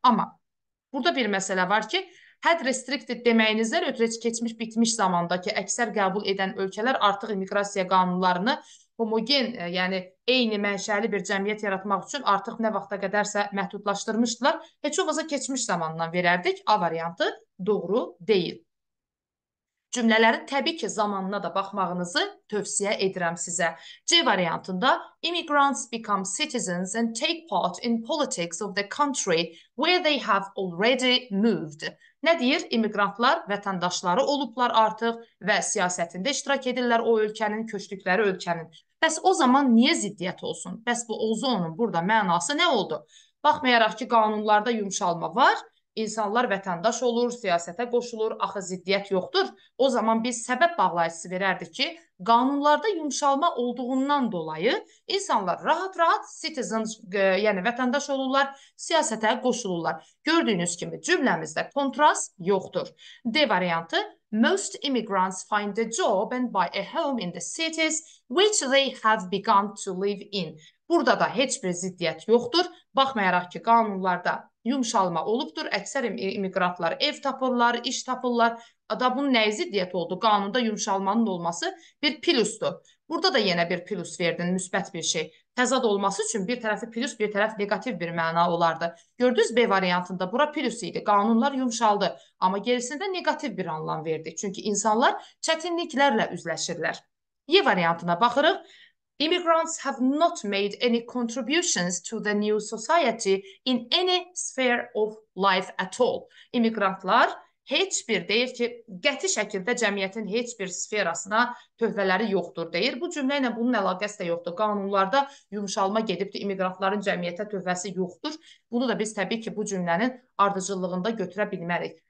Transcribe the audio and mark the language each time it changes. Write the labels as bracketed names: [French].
[Azerbaijani] Amma burada bir məsələ var ki, had restricted deməyinizdən ötürü keçmiş bitmiş zamandakı əksər qəbul edən ölkələr artıq immiqrasiya qanunlarını homogen, yəni eyni mənşəli bir cəmiyyət yaratmaq üçün artıq nə vaxta qədərsə məhdudlaşdırmışdılar. Heç olmasa keçmiş zamandan verərdik. A variantı doğru deyil. Cümlələrin təbii ki, zamanına da baxmağınızı tövsiyə edirəm sizə. [English] C variantında, immigrants become citizens and take part in politics of the country where they have already moved. [Azerbaijani] Nə deyir? İmmigrantlar vətəndaşları olublar artıq və siyasətində iştirak edirlər o ölkənin, köçdükləri ölkənin. Bəs o zaman niyə ziddiyyət olsun? Bəs bu olzonun burada mənası nə oldu? Baxmayaraq ki, qanunlarda yumşalma var, İnsanlar vətəndaş olur, siyasətə qoşulur, axı ziddiyyət yoxdur. O zaman biz səbəb bağlayıcısı verərdik ki, qanunlarda yumşalma olduğundan dolayı insanlar rahat-rahat citizen, yəni vətəndaş olurlar, siyasətə qoşulurlar. Gördüyünüz kimi cümləmizdə kontrast yoxdur. [English] D variantı: Most immigrants find a job and buy a home in the cities which they have begun to live in. [Azerbaijani] Burada da heç bir ziddiyyət yoxdur. Baxmayaraq ki, qanunlarda yumşalma olubdur. Əksər imiqrantlar ev tapırlar, iş tapırlar. Da bunun nəyi ziddiyyət oldu? Qanunda yumşalmanın olması bir plusdur. Burada da yenə bir plus verdin, müsbət bir şey. Təzad olması üçün bir tərəfi plus, bir tərəf neqativ bir məna olardı. Gördünüz, B variantında bura plus idi. Qanunlar yumşaldı, amma gerisində neqativ bir anlam verdi. Çünki insanlar çətinliklərlə üzləşirlər. Y variantına baxırıq. [English] Immigrants have not made any contributions to the new society in any sphere of life at all. [Azerbaijani] İmigrantlar heç bir, deyir ki, qəti şəkildə cəmiyyətin heç bir sferasına töhfələri yoxdur, deyir. Bu cümlə ilə bunun əlaqəsi də yoxdur. Qanunlarda yumşalma gedibdir, imiqrantların cəmiyyətə töhfəsi yoxdur. Bunu da biz təbii ki, bu cümlənin ardıcıllığında götürə bilmərik.